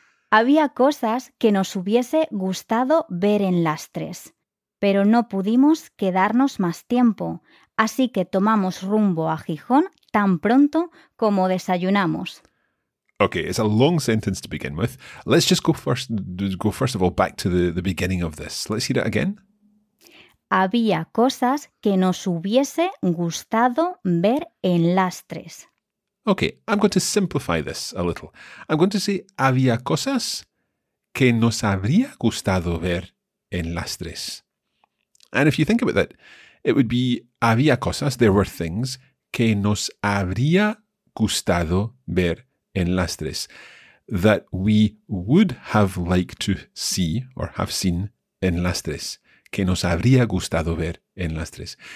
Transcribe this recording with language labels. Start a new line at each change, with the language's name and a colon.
Spanish: Había cosas que nos hubiese gustado ver en Lastres, pero no pudimos quedarnos más tiempo, así que tomamos rumbo a Gijón tan pronto como desayunamos.
English: Okay, it's a long sentence to begin with. Let's just go first of all back to the beginning of this. Let's hear it again.
Spanish: Había cosas que nos hubiese gustado ver en Lastres.
English: Okay, I'm going to simplify this a little. I'm going to say
Spanish: había cosas que nos habría gustado ver en Lastres.
English: And if you think about that, it would be
Spanish: había cosas,
English: there were things,
Spanish: que nos habría gustado ver en Lastres,
English: that we would have liked to see or have seen en Lastres, que nos habría gustado ver en Lastres.